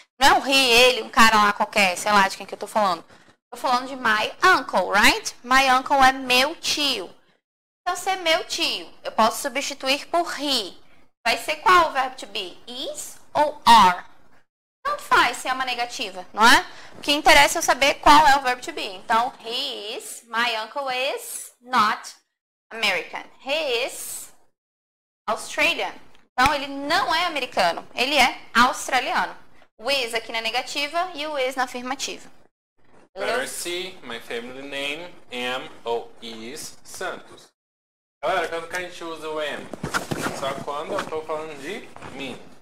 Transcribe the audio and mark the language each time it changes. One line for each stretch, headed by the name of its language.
Portuguese: Não é o he, ele, um cara lá qualquer, sei lá de quem que eu tô falando. Tô falando de
English: my uncle, right? My uncle
Portuguese: é meu tio. Então, se é meu tio, eu posso substituir por he. Vai ser qual o verbo to be? Is ou are? Tanto faz se é uma negativa, não é? O que interessa é eu saber qual é o verbo to be.
English: Então, he is, my uncle is not American. He is Australian.
Portuguese: Então, ele não é americano, ele é australiano. O is aqui na negativa e o is na afirmativa.
English: Percy, my family name, am ou is Santos.
Portuguese: Galera, quando que a gente usa o am? Só quando eu estou falando de mim.